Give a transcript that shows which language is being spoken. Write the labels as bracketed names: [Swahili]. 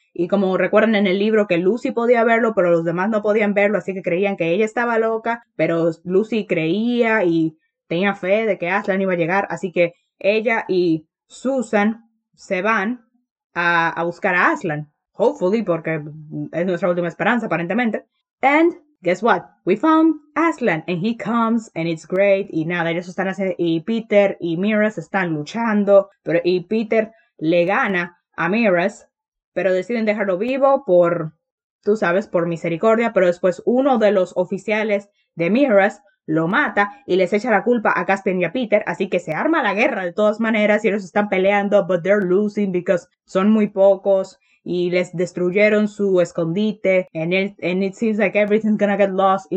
[Spanish] Y como recuerdan en el libro, que Lucy podía verlo, pero los demás no podían verlo, así que creían que ella estaba loca, pero Lucy creía y tenía fe de que Aslan iba a llegar, así que ella y Susan se van a buscar a Aslan. [English] Hopefully, [Spanish] porque es nuestra última esperanza, aparentemente. [English] And guess what? We found Aslan, and he comes, and it's great. [Spanish] Y nada, ellos están haciendo, y Peter y Miras están luchando, pero y Peter le gana a Miras, pero deciden dejarlo vivo por, tú sabes, por misericordia, pero después uno de los oficiales de Miras lo mata y les echa la culpa a Caspian y a Peter, así que se arma la guerra de todas maneras y ellos están peleando, [English] but they're losing [Spanish] because son muy pocos y les destruyeron su escondite, [English] and it seems like everything's gonna get lost.